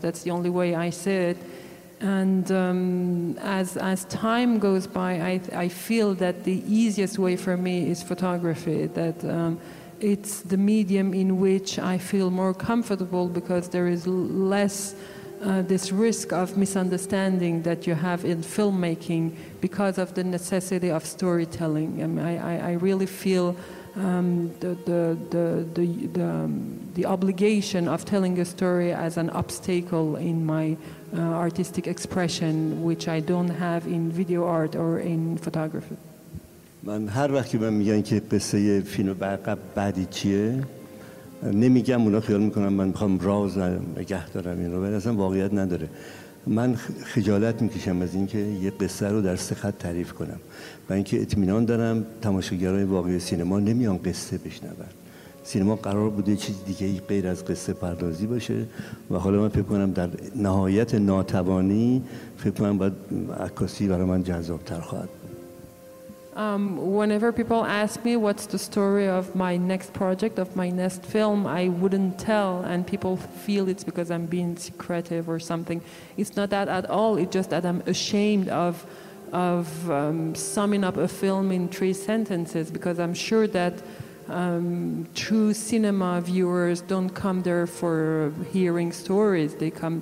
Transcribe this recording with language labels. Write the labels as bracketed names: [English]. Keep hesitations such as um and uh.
[English] That's the only way I see it. And um, as, as time goes by, I, I feel that the easiest way for me is photography, that um, it's the medium in which I feel more comfortable because there is l- less uh, this risk of misunderstanding that you have in filmmaking because of the necessity of storytelling. I, mean, I, I- I really feel um, the, the, the, the, the, um, the obligation of telling a story as an obstacle in my uh, artistic expression, which I don't have in video art or in photography. [Persian] من هر وقت که من میگن که قصه فیلم برقب بعدی چیه نمیگم اونا خیال میکنم من میخوام راز نگه دارم این رو ولی اصلا واقعیت نداره من خ- خجالت میکشم از اینکه یه قصه رو در سه خط تعریف کنم و اینکه اطمینان دارم تماشاگرای واقعی سینما نمیان قصه بشنون سینما قرار بوده یه چیز دیگه ای غیر از قصه پردازی باشه و حالا من فکر کنم در نهایت ناتوانی فکر کنم باید عکاسی برای من جذابتر خواهد بود [English] Um, whenever people ask me what's the story of my next project, of my next film, I wouldn't tell, and people feel it's because I'm being secretive or something. It's not that at all. It's just that I'm ashamed of of um, summing up a film in three sentences because I'm sure that um, true cinema viewers don't come there for hearing stories. They come.